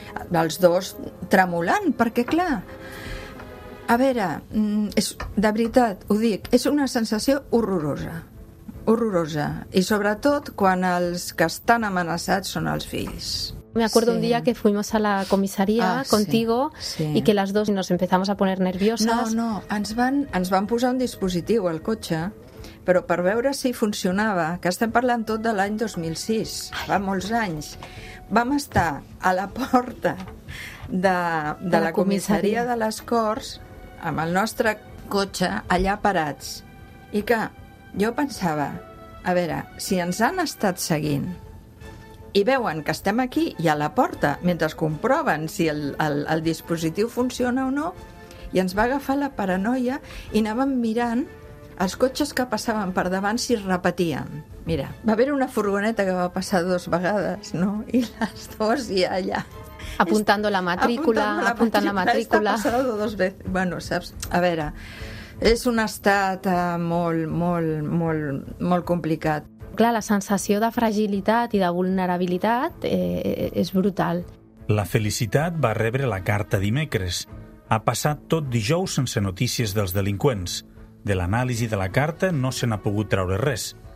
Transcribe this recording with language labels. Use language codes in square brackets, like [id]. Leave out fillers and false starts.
[ca] Els dos tremolant, perquè clar... A veure, és, de veritat, ho dic, és una sensació horrorosa. Horrorosa. I sobretot quan els que estan amenaçats són els fills. [es] Me acuerdo un día que fuimos a la comisaría contigo y que las dos nos empezamos a poner nerviosas. [ca] No, ens van posar un dispositiu al cotxe, però per veure si funcionava, que estem parlant tot de l'any 2006, fa molts anys. Vam estar a la porta de la comissaria de les Corts amb el nostre cotxe allà parats. I que jo pensava, a veure, si ens han estat seguint i veuen que estem aquí i a la porta, mentre comproven si el dispositiu funciona o no, i ens va agafar la paranoia i anàvem mirant els cotxes que passaven per davant si repetien. Mira, va haver una furgoneta que va passar dos vegades, no? I les dues ja allà. [es] Apuntando la matrícula, [ca] apuntant la matrícula. Està passada dos vegades. Bueno, saps? A veure, és un estat molt, molt, molt, molt complicat. Clar, la sensació de fragilitat i de vulnerabilitat és brutal. La Felicitat va rebre la carta dimecres. Ha passat tot dijous sense notícies dels delinqüents. De l'anàlisi de la carta no se n'ha pogut treure res.